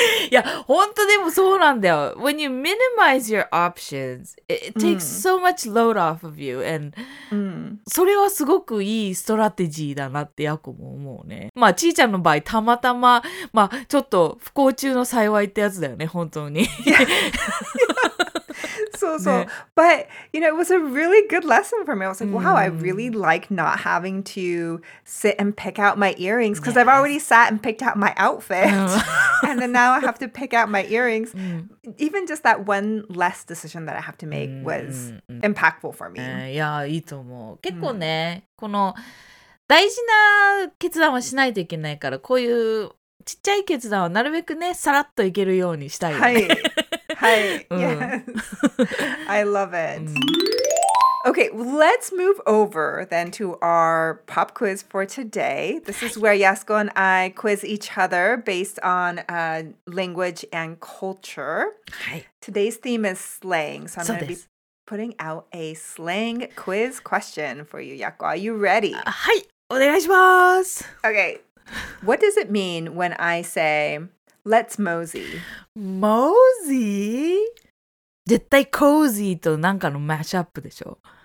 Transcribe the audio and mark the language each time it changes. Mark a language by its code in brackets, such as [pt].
[ja] いや、本当でもそうなんだよ。 [en] When you minimize your options, it takes so much load off of you. [ja] And それはすごくいいストラテジーだなってヤコも思うね。まあ、ちーちゃんの場合、たまたま、まあ、ちょっと不幸中の幸いってやつだよね、本当に。そうそう。 [en] But, you know, it was a really good lesson for me. I was like, wow, I really like not having to sit and pick out my earrings because I've already sat and picked out my outfit. And then now I have to pick out my earrings. Even just that one less decision that I have to make was impactful for me. [ja] Yeah, いいと思う。結構ね、この大事な決断はしないといけないから、こういうちっちゃい決断はなるべくね、さらっといけるようにしたいよね。はい。 [en] Yes. I love it. Okay, let's move over then to our pop quiz for today. This is where Yasuko and I quiz each other based on language and culture. Today's theme is slang, so I'm going to be putting out a slang quiz question for you, Yasuko. Are you ready? [ja] Hi, お願いします. [en] Okay, what does it mean when I say... Let's mosey. Mosey? [ja] 絶対 cozy となんかのマッシュアップでしょ。